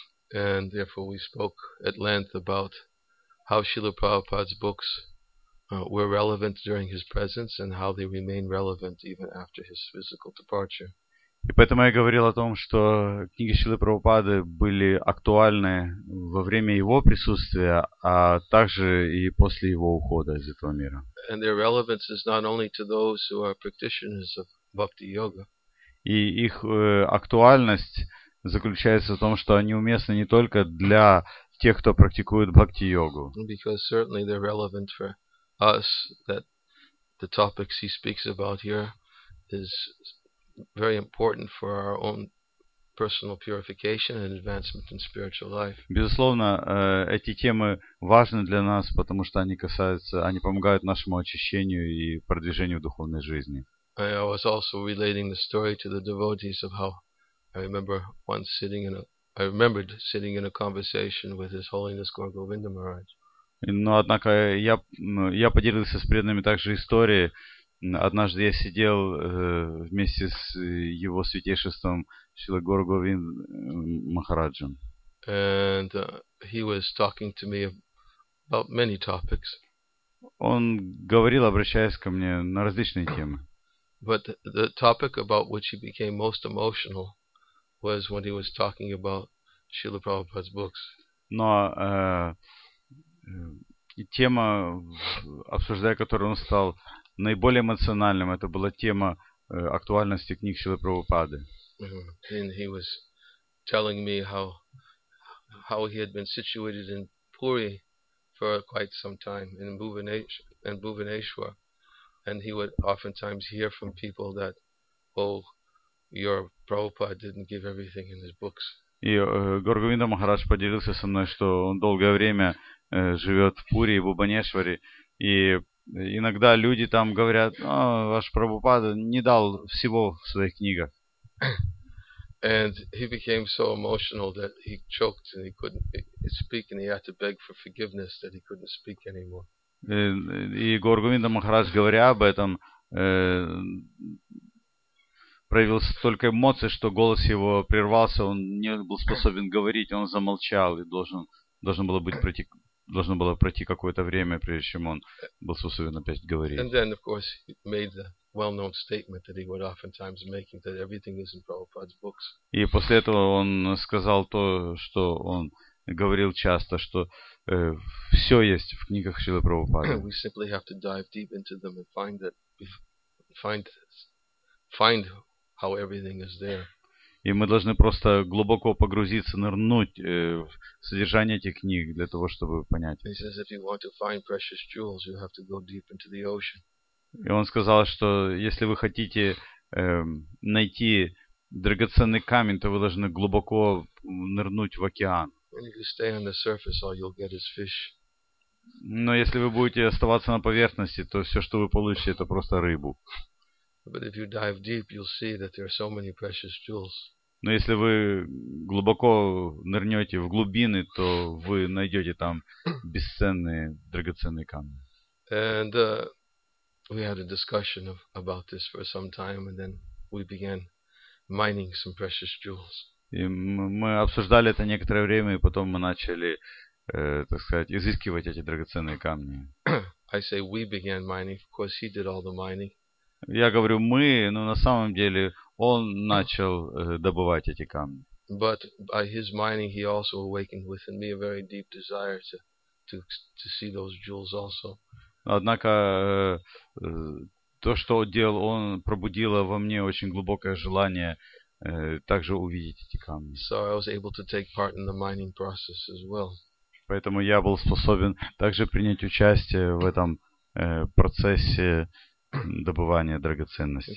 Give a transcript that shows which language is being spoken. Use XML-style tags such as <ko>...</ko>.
<en>And therefore we spoke at length about how Srila Prabhupada's books were relevant during his presence and how they remain relevant even after his physical departure.</en> <ru>И поэтому я говорил о том, что книги Шрилы Прабхупады были актуальны во время его присутствия, а также и после его ухода из этого мира.</ru> <en>And their relevance is not only to those who are practitioners of bhakti yoga.</en> <ru>И их актуальность заключается в том, что они уместны не только для тех, кто практикует бхакти йогу.</ru> <en>Because certainly they're relevant for us, that the topics he speaks about here is very important for our own personal purification and advancement in spiritual life.</en> <ru>Безусловно, эти темы важны для нас, потому что они касаются, они помогают нашему очищению и продвижению в духовной жизни.</ru> <en>I was also relating the story to the devotees of how I remember once sitting in a, I remembered sitting in a conversation with His Holiness Gaura Govinda Maharaj.</en> <ru>Но однако я поделился с преданными также историей. Однажды я сидел вместе с его святейшеством Шрила Гаура Говинда Махараджем.</ru> <en>And he was talking to me about many topics.</en> <ru>Он говорил, обращаясь ко мне, на различные темы.</ru> <en>But the topic about which he became most emotional was when he was talking about Srila Prabhupada's books.</en> <ru>Но тема, обсуждая которую он стал наиболее эмоциональным, это была тема актуальности книг Шрилы Прабхупады.</ru> <en>And he was telling me how he had been situated in Puri for quite some time, in Bhuvaneshwar. And he would oftentimes hear from people that, oh, your Prabhupada didn't give everything in his books.</en> <ru>И Гаура Говинда Махарадж поделился со мной, что он долгое время живет в Пури и Бхубанешваре, и иногда люди там говорят, ваш Прабхупада не дал всего в своих книгах.</ru> <en>And he became so emotional that he choked and he couldn't speak and he had to beg for forgiveness that he couldn't speak anymore.</en> <ru>И Гаура Говинда Махарадж, говоря об этом, проявил столько эмоций, что голос его прервался, он не был способен говорить, он замолчал, и должно было пройти какое-то время, прежде чем он был способен опять говорить.</ru> <en>And then, of course, he made the well-known statement that he would oftentimes make, that everything is in Prabhupada's books.</en> <ru>И после этого он сказал то, что он говорил часто, что все есть в книгах Шрилы Прабхупады.</ru> <en>We simply have to dive deep into them and find how everything is there.</en> <ru>И мы должны просто глубоко погрузиться, нырнуть в содержание этих книг для того, чтобы понять.</ru> <en>He says, if you want to find precious jewels, you have to go deep into the ocean.</en> <ru>И он сказал, что если вы хотите найти драгоценный камень, то вы должны глубоко нырнуть в океан.</ru> <en>And you can stay on the surface, all you'll get is fish.</en> <ru>Но если вы будете оставаться на поверхности, то все, что вы получите, это просто рыбу.</ru> <en>But if you dive deep, you'll see that there are so many precious jewels.</en> <ru>Но если вы глубоко нырнете в глубины, то вы найдете там бесценные драгоценные камни.</ru> <en>And we had a discussion about this for some time, and then we began mining some precious jewels.</en> <ru>И мы обсуждали это некоторое время, и потом мы начали, так сказать, изыскивать эти драгоценные камни.</ru> <en>I say we began mining, of course he did all the mining.</en> <ru>Я говорю мы, но на самом деле он начал добывать эти камни.</ru> <en>But by his mining he also awakened within me a very deep desire to see those jewels also.</en> <ru>Однако то, что делал он, пробудило во мне очень глубокое желание также увидеть эти камни.</ru> <en>So I was able to take part in the mining process as well.</en> <ru>Поэтому я был способен также принять участие в этом процессе добывания драгоценностей.</ru>